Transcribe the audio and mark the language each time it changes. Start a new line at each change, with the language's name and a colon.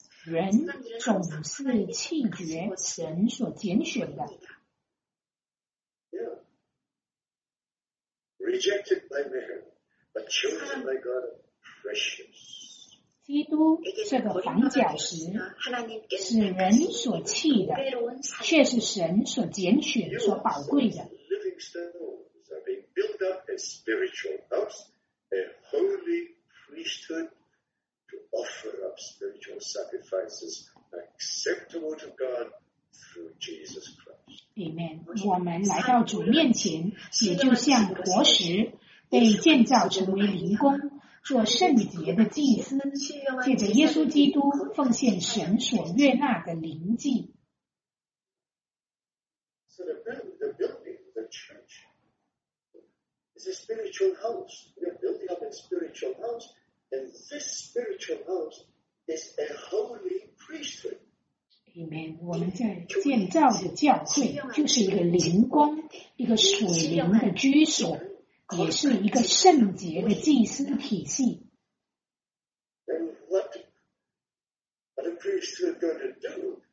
Chinese: 人总是弃绝神所拣选的。
English: Rejected by man, but chosen by God, precious.
Chinese: 基督这个房角石是人所弃的，却是神所拣选、所宝贵的。
English: Living stones are being built up a spiritual house, a holy priesthood to offer up spiritual sacrifices acceptable to God through Jesus Christ. Amen.
Chinese: 我们来到主面前，也就像活石被建造成为灵宫，做圣洁的祭司，借着耶稣基督奉献神所悦纳的灵祭。
English: So the building, the church, is a spiritual house. We are building up a spiritual house, and this spiritual house is a holy priesthood.
Chinese: 里面我们在建造的教会就是一个灵宫，一个属灵的居所，也是一个圣洁的祭司体系。
English: What the priesthood is going to do?